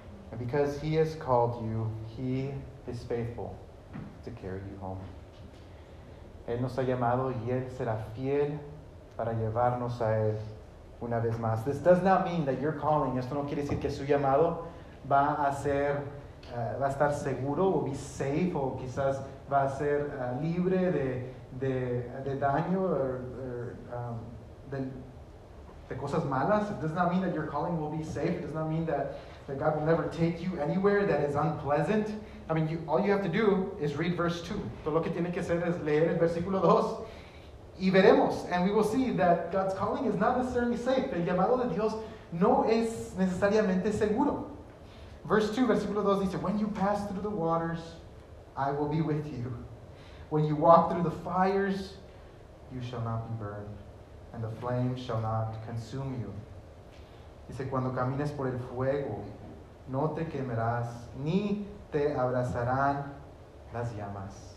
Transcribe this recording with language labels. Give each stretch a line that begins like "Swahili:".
English: And because He has called you, He is faithful to carry you home.
Spanish: Él nos ha llamado y Él será fiel para llevarnos a Él una vez más.
English: This does not mean that your calling,
Spanish: esto no quiere decir que su llamado va a ser... va a estar seguro,
English: will be safe,
Spanish: o quizás va a ser libre de daño de cosas malas.
English: It does not mean that your calling will be safe. It does not mean that God will never take you anywhere that is unpleasant. I mean, all you have to do is read verse 2.
Spanish: Todo lo que tiene que hacer es leer el versículo 2. Y veremos,
English: and we will see that God's calling is not necessarily safe.
Spanish: El llamado de Dios no es necesariamente seguro.
English: Verse 2,
Spanish: versículo 2 dice,
English: when you pass through the waters, I will be with you. When you walk through the fires, you shall not be burned, and the flame shall not consume you.
Spanish: Dice, cuando camines por el fuego, no te quemarás, ni te abrazarán las llamas.